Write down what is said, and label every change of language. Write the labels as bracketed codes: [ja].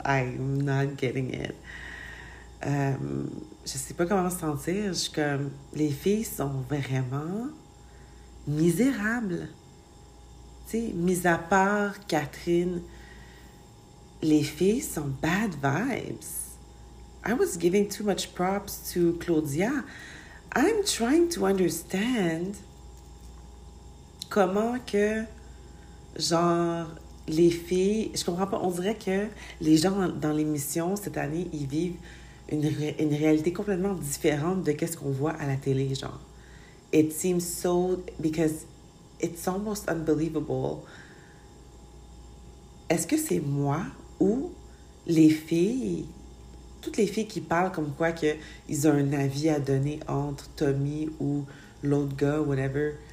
[en] I'm not getting it. [fr] Je sais pas comment me sentir. Je suis comme... Les filles sont vraiment misérables. T'sais, mis à part Catherine, les filles sont bad vibes. [en] I was giving too much props to Claudia. I'm trying to understand [fr] comment que, genre, les filles. Je comprends pas. On dirait que les gens dans l'émission cette année, ils vivent une réalité complètement différente de qu'est-ce qu'on voit à la télé, genre. [en] It seems so. Because. It's almost unbelievable. [fr] Est-ce que c'est moi ou les filles, toutes les filles qui parlent comme quoi qu'ils ont un avis à donner entre Tommy ou l'autre gars, whatever.